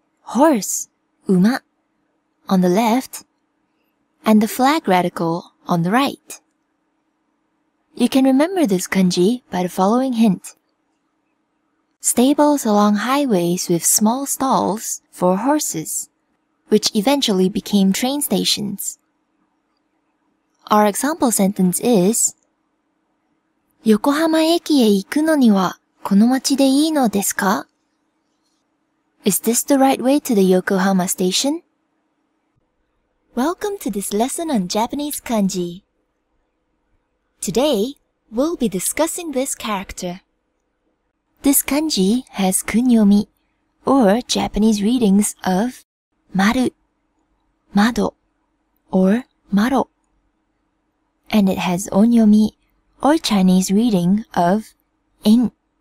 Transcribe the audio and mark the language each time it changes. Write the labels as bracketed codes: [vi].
[en] Horse, 馬, on the left, and the flag radical on the right. You can remember this kanji by the following hint. Stables along highways with small stalls for horses, which eventually became train stations. Our example sentence is, [ja] 横浜駅へ行くのにはこの街でいいのですか? [en] Is this the right way to the Yokohama station? Welcome to this lesson on Japanese kanji. Today, we'll be discussing this character. This kanji has kun-yomi, or Japanese readings of maru, mado, or maro, and it has on-yomi, or Chinese reading of en.